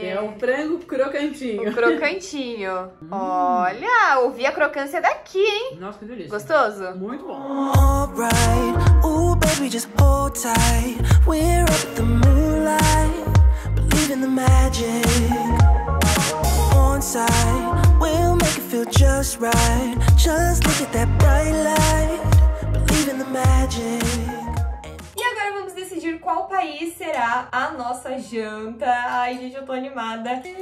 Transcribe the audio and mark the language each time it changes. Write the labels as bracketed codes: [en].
[pt] Que é o frango crocantinho. O crocantinho. Olha, ouvi a crocância daqui, hein? Nossa, que delícia. Gostoso? Muito bom. [en] Alright, oh baby, just hold tight. We're up the moonlight. In the magic on sight, we'll make it feel just right. Just look at that bright light. Believe in the magic. [pt] Decidir qual país será a nossa janta. Ai, gente, eu tô animada.